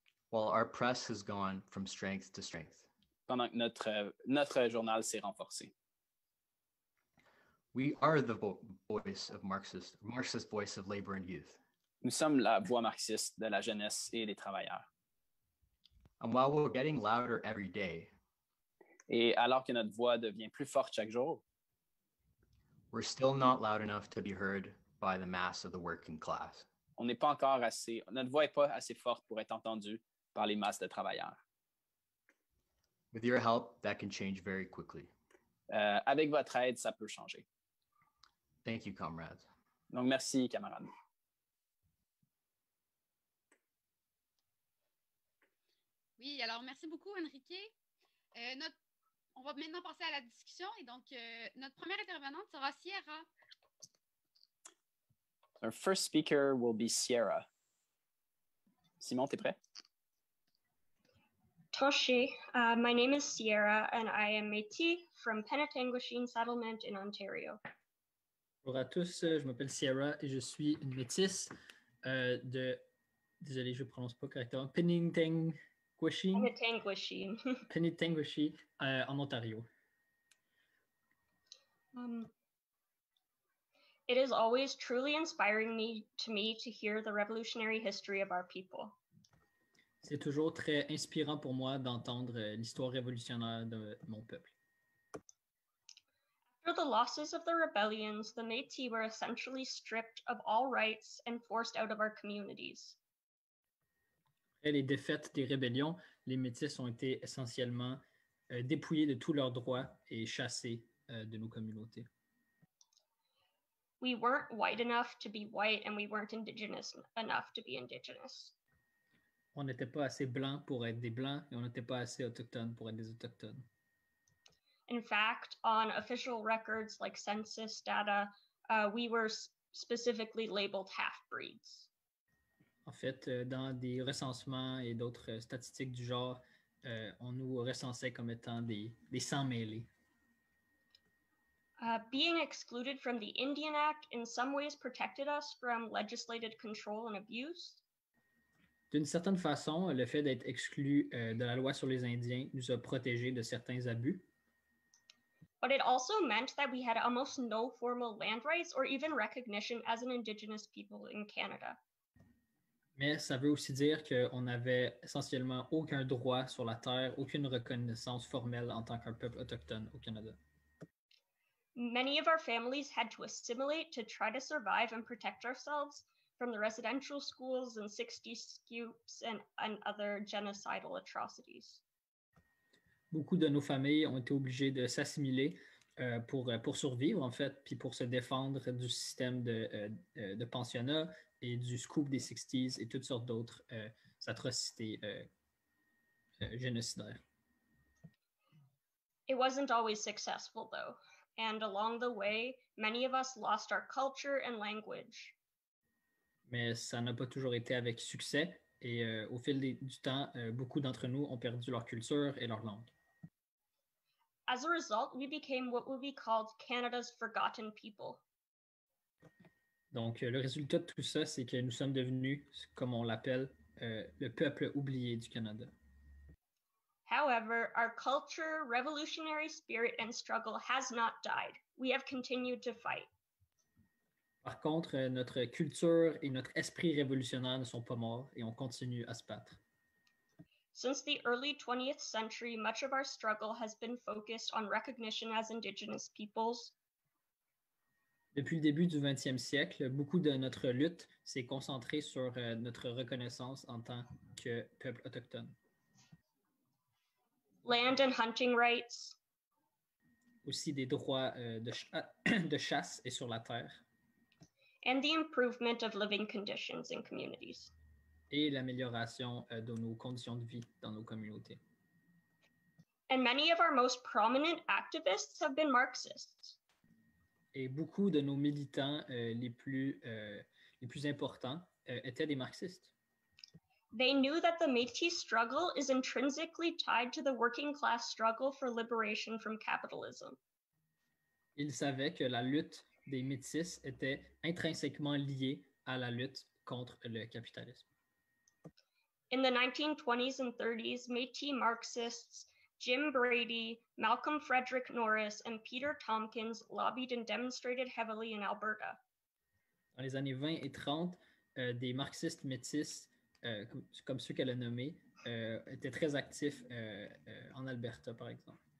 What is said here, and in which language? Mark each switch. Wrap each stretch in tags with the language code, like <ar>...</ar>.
<en>While our press has gone from strength to strength.</en> <fr>Pendant que notre journal s'est renforcé.</fr> <en>We are the voice of Marxist voice of labor and youth.</en> <fr>Nous sommes la voix marxiste de la jeunesse et des travailleurs.</fr> <en>And while we're getting louder every day,</en> <fr>et alors que notre voix devient plus forte chaque jour,</fr> <en>we're still not loud enough to be heard by the mass of the working class.</en> <fr>On n'est pas encore assez, notre voix n'est pas assez forte pour être entendue par les masses de travailleurs.</fr> <en>With your help, that can change very quickly.</en> <fr>Avec votre aide, ça peut changer.</fr> <en>Thank you, comrades.</en> <fr>Donc merci, camarades. Oui, Oui, alors merci beaucoup, Enrique. On va maintenant passer à la discussion. Et donc, notre première intervenante sera Sierra.</fr> <en>Our first speaker will be Sierra. Simon,</en> <fr>t'es prêt?</fr> <en>Toshi, my name is Sierra and I am Métis from Penetanguishene Settlement in Ontario.</en> <fr>Bonjour à tous, je m'appelle Sierra et je suis une Métis de, désolé, je ne prononce pas correctement, Penetanguishene, en Ontario.</fr> <en>It is always truly inspiring to me to hear the revolutionary history of our people.</en> <fr>C'est toujours très inspirant pour moi d'entendre l'histoire révolutionnaire de mon peuple.</fr> <en>After the losses of the rebellions, the Métis were essentially stripped of all rights and forced out of our communities.</en> <fr>Après les défaites des rébellions, les Métis ont été essentiellement dépouillés de tous leurs droits et chassés de nos communautés.</fr> <en>We weren't white enough to be white and we weren't indigenous enough to be indigenous.</en> <fr>On n'était pas assez blanc pour être des blancs et on n'était pas assez autochtones pour être des autochtones.</fr> <en>In fact, on official records like census data, we were specifically labeled half-breeds.</en> <fr>En fait, dans des recensements et d'autres statistiques du genre, on nous recensait comme étant des sans-mêlés.</fr> <en>Being excluded from the Indian Act in some ways protected us from legislated control and abuse.</en> <fr>D'une certaine façon, le fait d'être exclu de la loi sur les Indiens nous a protégés de certains abus.</fr> <en>But it also meant that we had almost no formal land rights or even recognition as an Indigenous people in Canada.</en> <fr>Mais ça veut aussi dire qu'on n'avait essentiellement aucun droit sur la terre, aucune reconnaissance formelle en tant qu'un peuple autochtone au Canada.</fr> <en>Many of our families had to assimilate to try to survive and protect ourselves from the residential schools and 60 scoops and other genocidal atrocities.</en> <fr>Beaucoup de nos familles ont été obligées de s'assimiler pour survivre, en fait, puis pour se défendre du système de pensionnat et du scoop des 60s et toutes sortes d'autres atrocités génocidaires.</fr> <en>It wasn't always successful, though. And along the way, many of us lost our culture and language.</en> <fr>Mais ça n'a pas toujours été avec succès et au fil du temps, beaucoup d'entre nous ont perdu leur culture et leur langue.</fr> <en>As a result, we became what would be called Canada's forgotten people.</en> <fr>Donc, le résultat de tout ça, c'est que nous sommes devenus, comme on l'appelle, le peuple oublié du Canada.</fr> <en>However, our culture, revolutionary spirit and struggle has not died. We have continued to fight.</en> <fr>Par contre, notre culture et notre esprit révolutionnaire ne sont pas morts et on continue à se battre.</fr> <en>Since the early 20th century, much of our struggle has been focused on recognition as Indigenous peoples.</en> <fr>Depuis le début du 20e siècle, beaucoup de notre lutte s'est concentrée sur notre reconnaissance en tant que peuple autochtone.</fr> <en>Land and hunting rights.</en> <fr>Aussi des droits de chasse et sur la terre.</fr> <en>And the improvement of living conditions in communities.</en> <fr>Et l'amélioration de nos conditions de vie dans nos communautés.</fr> <en>And many of our most prominent activists have been Marxists.</en> <fr>Et beaucoup de nos militants les plus importants étaient des Marxistes.</fr> <en>They knew that the Métis struggle is intrinsically tied to the working class struggle for liberation from capitalism.</en> <fr>Ils savaient que la lutte des Métis étaient intrinsèquement liés à la lutte contre le capitalisme.</fr> <en>In the 1920s and 30s, Métis Marxists Jim Brady, Malcolm Frederick Norris, and Peter Tompkins lobbied and demonstrated heavily in Alberta.</en> <fr>Dans les années 20 et 30, des Marxistes Métis, comme ceux qu'elle a nommés, étaient très actifs en Alberta, par exemple.</fr>